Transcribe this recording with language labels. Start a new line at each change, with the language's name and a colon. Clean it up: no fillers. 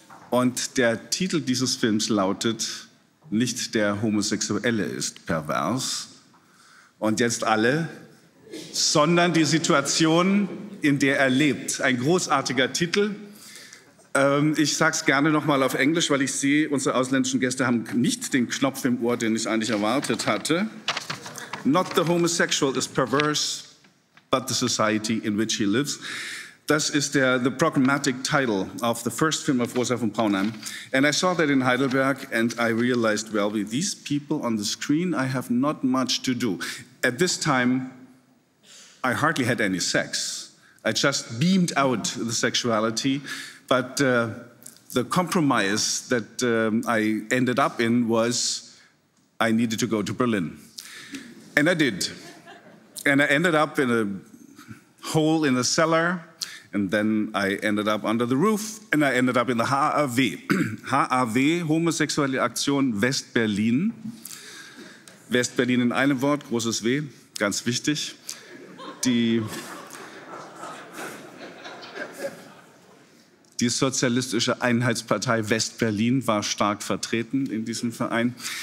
German: Und der Titel dieses Films lautet: Nicht der Homosexuelle ist pervers. Und jetzt alle, sondern die Situation, in der er lebt. Ein großartiger Titel. Ich sage es gerne noch mal auf Englisch, weil ich sehe, unsere ausländischen Gäste haben nicht den Knopf im Ohr, den ich eigentlich erwartet hatte.
English: Not the homosexual is perverse, but the society in which he lives.
German: Das ist der
English: the programmatic title of the first film of Rosa von Braunheim. And I saw that in Heidelberg and I realized, well, with these people on the screen, I have not much to do. At this time, I hardly had any sex. I just beamed out the sexuality, but the compromise that I ended up in was I needed to go to Berlin. And I did. And I ended up in a hole in the cellar, and then I ended up under the roof, and I ended up in the HAW.
German: HAW, Homosexuelle Aktion West-Berlin. West-Berlin in einem Wort, großes W, ganz wichtig. Die Sozialistische Einheitspartei West-Berlin war stark vertreten in diesem Verein.